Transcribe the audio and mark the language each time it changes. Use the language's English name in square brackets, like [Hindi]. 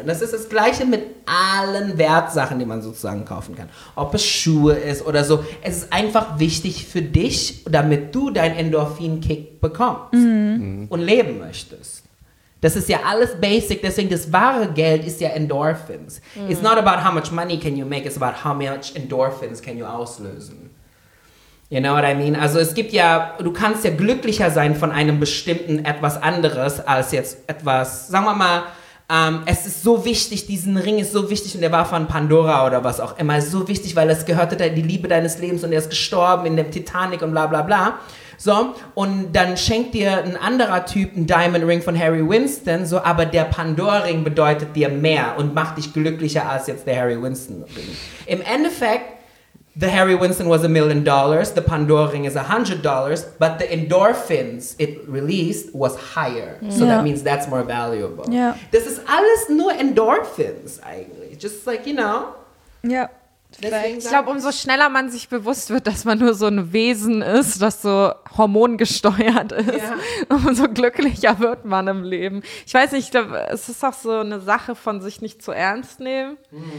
[German] Und das ist das Gleiche mit allen Wertsachen, die man sozusagen kaufen kann. Ob es Schuhe ist oder so. Es ist einfach wichtig für dich, damit du deinen Endorphin-Kick bekommst und leben möchtest. Das ist ja alles basic, deswegen das wahre Geld ist ja Endorphins. Mm. [English] It's not about how much money can you make, it's about how much Endorphins can you [German] auslösen. [English] You know what I mean? [German] Also es gibt ja, du kannst ja glücklicher sein von einem bestimmten etwas anderes als jetzt etwas, sagen wir mal, es ist so wichtig, diesen Ring ist so wichtig und der war von Pandora oder was auch immer, so wichtig, weil es gehörte die Liebe deines Lebens und er ist gestorben in dem Titanic und bla bla bla. So, und dann schenkt dir ein anderer Typ einen Diamond Ring von Harry Winston, so, aber der Pandora-Ring bedeutet dir mehr und macht dich glücklicher als jetzt der Harry Winston-Ring. Im Endeffekt, [English] the Harry Winston was $1 million, the Pandora-Ring is $100, but the endorphins it released was higher. So that means that's more valuable. Yeah. [German] Das ist alles nur Endorphins eigentlich, [English] just like, you know. Yeah. [German] Deswegen, ich glaube, umso schneller man sich bewusst wird, dass man nur so ein Wesen ist, das so hormongesteuert ist, umso glücklicher wird man im Leben. Ich weiß nicht, es ist auch so eine Sache von sich nicht zu ernst nehmen. Mhm.